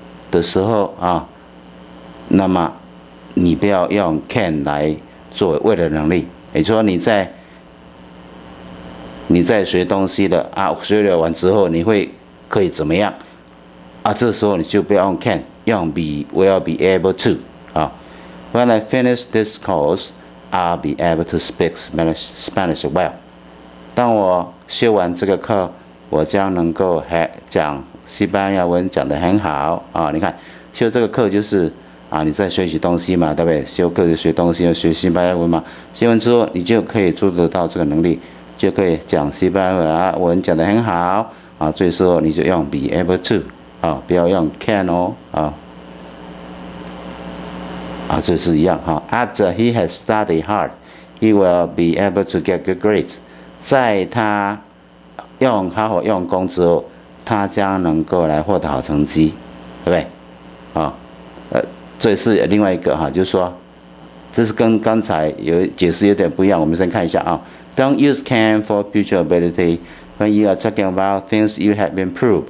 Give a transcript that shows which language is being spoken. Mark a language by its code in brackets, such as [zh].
[zh] 的时候啊，那么你不要用 can 来作为未来能力，也就是说你在学东西的啊，学了完之后你会可以怎么样啊？这时候你就不要用 can， 用 be will be able to 啊。 [en] When I finish this course, I'll be able to speak Spanish well。 [zh] 当我学完这个课，我将能够还讲。西班牙文讲得很好啊！你看，修这个课就是啊，你在学习东西嘛，对不对？修课就学东西，学西班牙文嘛。学完之后，你就可以做得到这个能力，就可以讲西班牙文讲得很好啊。所以说，你就用 be able to 啊，不要用 can 哦啊。啊，这是一样哈。 [en] After he has studied hard, he will be able to get good grades。 [zh] 在他用好好用功之后，他将能够来获得好成绩，对不对？啊、哦，这是另外一个哈，就是说，这是跟刚才有解释有点不一样。我们先看一下啊。 [en] Don't use can for future ability when you are talking about things you have been proved。